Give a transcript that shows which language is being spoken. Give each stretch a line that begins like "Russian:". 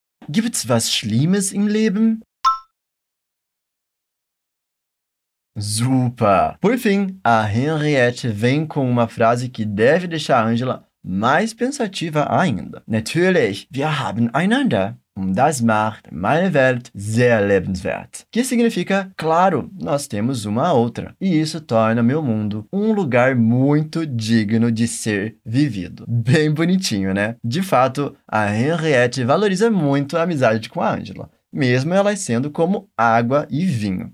German: Gibt's was schlimmes im Leben? Super!
Portuguese: Por fim, a Henriette vem com uma frase que deve deixar a Angela mais pensativa ainda.
German: Natürlich, wir haben einander. Und das macht meine Welt sehr lebenswert.
Portuguese: Que significa, claro, nós temos uma outra. E isso torna meu mundo um lugar muito digno de ser vivido. Bem bonitinho, né? De fato, a Henriette valoriza muito a amizade com a Angela, mesmo elas sendo como água e vinho.